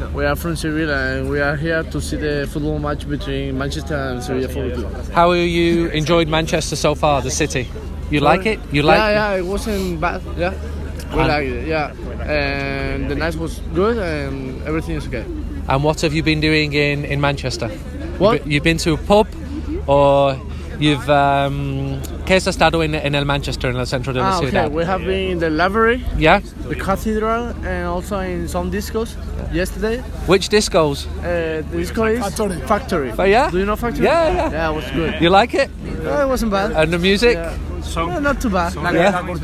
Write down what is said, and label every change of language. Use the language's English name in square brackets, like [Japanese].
[English] We are from Sevilla, and we are here to see the football match between Manchester and Sevilla Football. How have you enjoyed Manchester so far, the city? You like it? Yeah, it wasn't bad. Yeah, we like it. Yeah, and the night was good, and everything is okay. And what have you been doing in Manchester? What? You've been to a pub, or you've [Spanish] ¿qué has estado en el Manchester, en el centro de la ciudad? [English] Okay. We have been in the library, yeah, the cathedral, and also in some discos yesterday. Which discos? The disco is Factory. Oh, yeah? Do you know Factory? Yeah, yeah. Yeah, it was good. You like it? No, it wasn't bad. And the music? Yeah, not too bad. Yeah.